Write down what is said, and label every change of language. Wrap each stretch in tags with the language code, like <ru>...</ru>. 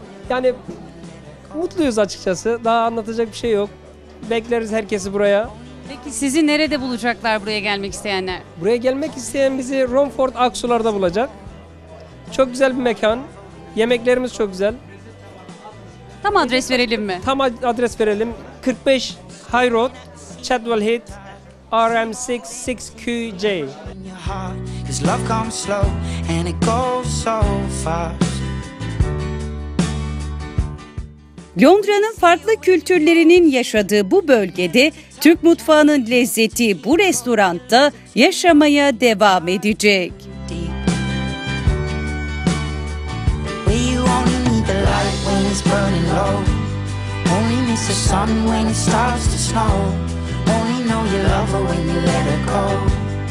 <tr>Yani mutluyuz açıkçası. Daha anlatacak bir şey yok. Bekleriz herkesi buraya. Peki sizi nerede bulacaklar buraya gelmek isteyenler? Buraya gelmek isteyen bizi Romford Aksular'da bulacak. Çok güzel bir mekan. Yemeklerimiz çok güzel. Tam adres verelim mi? Tam adres verelim. 45 High Road, Chadwell Heath, RM66QJ.</tr> <en>Cause love comes slow and it goes so fast.</en> <tr>Londra'nın farklı kültürlerinin yaşadığı bu bölgede Türk mutfağının lezzeti bu restoranda yaşamaya devam edecek.</tr> <en>We only need the light when it's burning low. Only miss the sun when it starts to snow. Only know you love her when you let her go.</en>